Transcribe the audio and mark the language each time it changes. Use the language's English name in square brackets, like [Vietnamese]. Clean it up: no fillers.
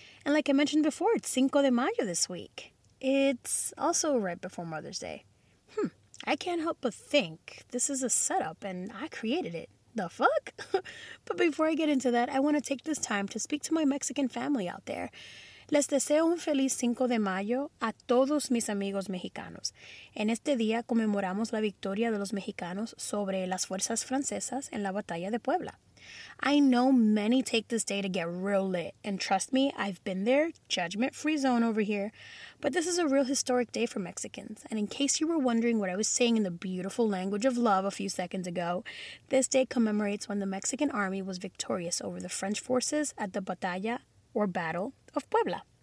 [English] And like I mentioned before, it's Cinco de Mayo this week. It's also right before Mother's Day. I can't help but think this is a setup and I created it. The fuck? But before I get into that, I want to take this time to speak to my Mexican family out there. [Spanish] Les deseo un feliz Cinco de Mayo a todos mis amigos mexicanos. En este día conmemoramos la victoria de los mexicanos sobre las fuerzas francesas en la batalla de Puebla. [English] I know many take this day to get real lit, and trust me, I've been there, judgment-free zone over here, but this is a real historic day for Mexicans, and in case you were wondering what I was saying in the beautiful language of love a few seconds ago, this day commemorates when the Mexican army was victorious over the French forces at the Batalla, or Battle, of Puebla.